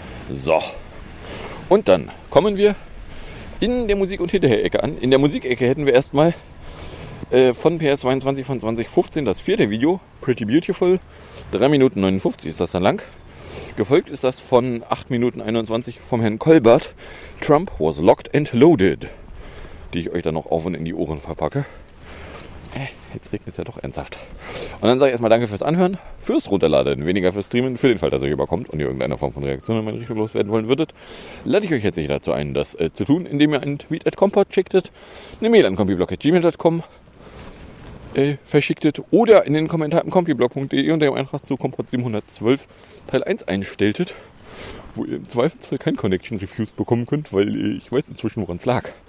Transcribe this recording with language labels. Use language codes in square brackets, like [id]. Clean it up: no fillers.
[de] So. Und dann kommen wir in der Musik- und Hinterher-Ecke an. In der Musikecke hätten wir erstmal von PS22 von 2015 das vierte Video, Pretty Beautiful. 3 Minuten 59 ist das dann lang. Gefolgt ist das von 8 Minuten 21 vom Herrn Kolbert. [en] Trump was locked and loaded. [de] Die ich euch dann noch auf und in die Ohren verpacke. Jetzt regnet es ja doch ernsthaft. Und dann sage ich erstmal danke fürs Anhören, fürs Runterladen, weniger fürs Streamen, für den Fall, dass ihr euch überkommt und ihr irgendeine Form von Reaktion in meine Richtung loswerden wollen würdet, lade ich euch herzlich dazu ein, das zu tun, indem ihr einen Tweet at Compot schicktet, eine Mail an compiblog@gmail.com verschicktet oder in den Kommentar im compiblog.de und dem Eintrag zu Compot 712 Teil 1 einstelltet, wo ihr im Zweifelsfall kein Connection Refuse bekommen könnt, weil ich weiß inzwischen, woran es lag.